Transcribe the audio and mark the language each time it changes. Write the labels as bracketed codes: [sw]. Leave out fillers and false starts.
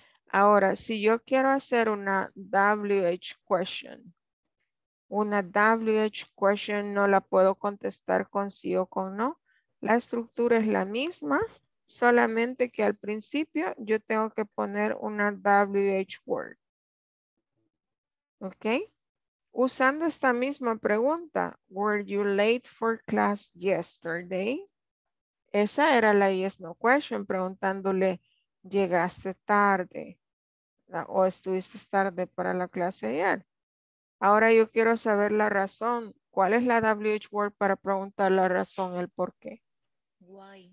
[es] Ahora, si yo quiero hacer una WH question, una WH question no la puedo contestar con sí o con no. La estructura es la misma, solamente que al principio yo tengo que poner una WH word. Okay. Usando esta misma pregunta, [en] were you late for class yesterday? [es] Esa era la yes no question, preguntándole, ¿llegaste tarde? ¿O estuviste tarde para la clase ayer? Ahora yo quiero saber la razón. ¿Cuál es la WH word para preguntar la razón, el por qué? [en] Why.